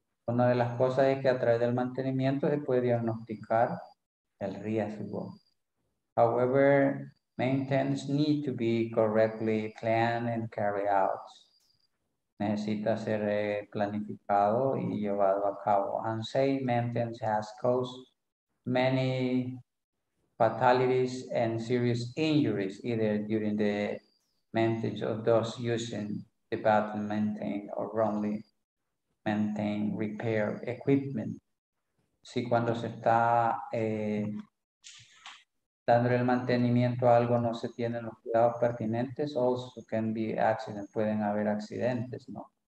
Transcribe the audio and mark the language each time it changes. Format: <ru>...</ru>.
<es>Una de las cosas es que a través del mantenimiento se puede diagnosticar el riesgo.</es> <en>However, maintenance need to be correctly planned and carried out.</en> <es>Necesita ser planificado y llevado a cabo.</es> <en>And say maintenance has caused many fatalities and serious injuries either during the maintenance or those using the badly maintained or wrongly maintained repair equipment.</en> <es>Si cuando se está dándole el mantenimiento a algo, no se tienen los cuidados pertinentes,</es> <en>also can be accidents,</en> <es>pueden haber accidentes, ¿no?</es>